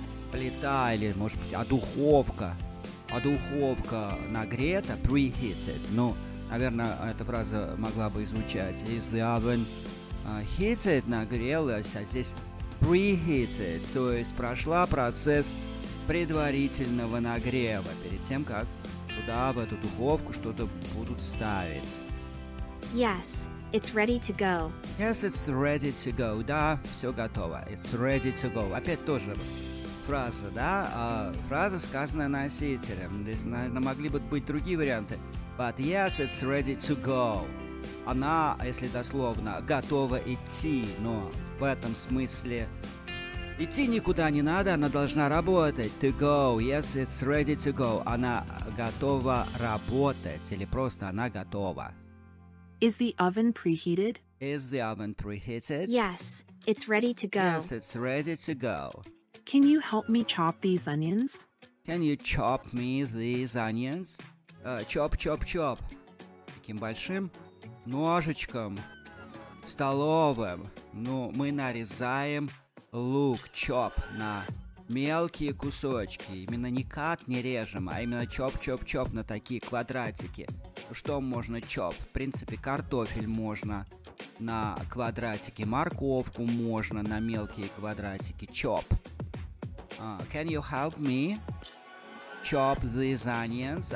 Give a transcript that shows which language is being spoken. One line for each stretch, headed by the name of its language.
Russian: Плита или, может быть, духовка. А духовка нагрета, preheated. Ну, наверное, эта фраза могла бы звучать.
English: Is the oven heated,
Russian: нагрелась, а здесь
English: preheated.
Russian: То есть прошла процесс предварительного нагрева перед тем, как туда, в эту духовку, что-то будут ставить.
English: Yes, it's ready to go. Yes, it's ready to go.
Russian: Да, все готово.
English: It's ready to go.
Russian: Опять тоже фраза, да? Фраза, сказанная носителем. Здесь, наверное, могли бы быть другие варианты.
English: But yes, it's ready to go.
Russian: Она, если дословно, готова идти, но в этом смысле идти никуда не надо, она должна работать.
English: To go. Yes, it's ready to go.
Russian: Она готова работать. Или просто она готова.
English: Is the oven preheated? Is the oven preheated? Yes, it's ready to go. Yes, it's ready to go. Can you help me chop these onions? Can you chop me these onions? Chop.
Russian: Таким большим ножичком столовым. Ну, мы нарезаем лук, chop, на мелкие кусочки. Именно не cut не режем, а именно chop на такие квадратики. Что можно chop? В принципе, картофель можно на квадратики, морковку можно на мелкие квадратики, chop.
English: Can you help me chop these onions?